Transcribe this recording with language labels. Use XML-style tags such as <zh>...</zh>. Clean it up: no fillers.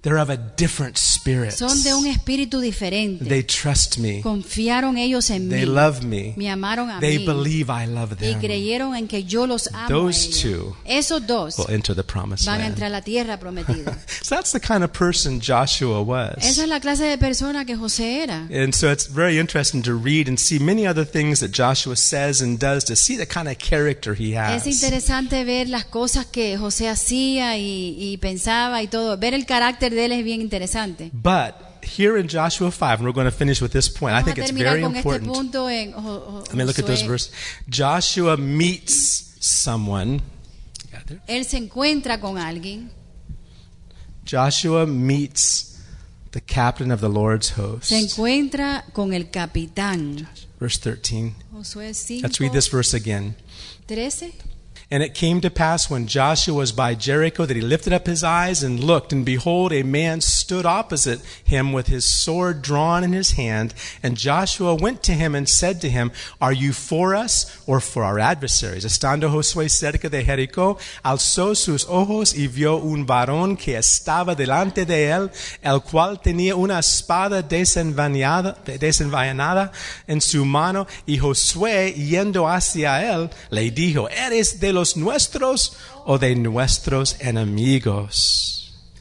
<en>They're of a different spirit.</en> <es>Son de un espíritu diferente.</es> <en>They trust me.</en> <es>Confiaron ellos en mí.</es> <en>They love me.</en> <es>Me amaron a mí.</es> <en>They believe I love them.</en> <es>Y creyeron en que yo los amo.</es> <en>Those two,</en> <es>esos dos,</es> <en>will enter the promised land.</en> <es>Van a entrar a la tierra prometida.</es> <en>So that's the kind of person Joshua was.</en> <es>Esa es la clase de persona que José era.</es> <en>And so it's very interesting to read and see many other things that Joshua says and does to see the kind of character he has.</en> <es>Es interesante ver las cosas que José hacía y pensaba y todo. Ver el carácter de él es bien interesante.</es> <en>But here in Joshua 5, and we're going to finish with this point.</en> <es>Vamos,</es> <en>I think it's very important.</en> <es>Este punto en</es> <en>Let me look at those verses. Joshua meets someone.</en> <es>Él se encuentra con alguien.</es> <en>Joshua meets the captain of the Lord's host.</en> <es>Se encuentra con el capitán.</es> <en>Verse 13.</en> <es>Josué 5,</es> <en>let's read this verse again.</en> <es>13.</es> <en>And it came to pass when Joshua was by Jericho that he lifted up his eyes and looked, and behold, a man stood opposite him with his sword drawn in his hand. And Joshua went to him and said to him, are you for us or for our adversaries?</en> <es>Estando Josué cerca de Jericó, alzó sus ojos y vio un varón que estaba delante de él, el cual tenía una espada desenvainada en su mano. Y Josué, yendo hacia él, le dijo, ¿eres de los nuestros o de nuestros enemigos?</es>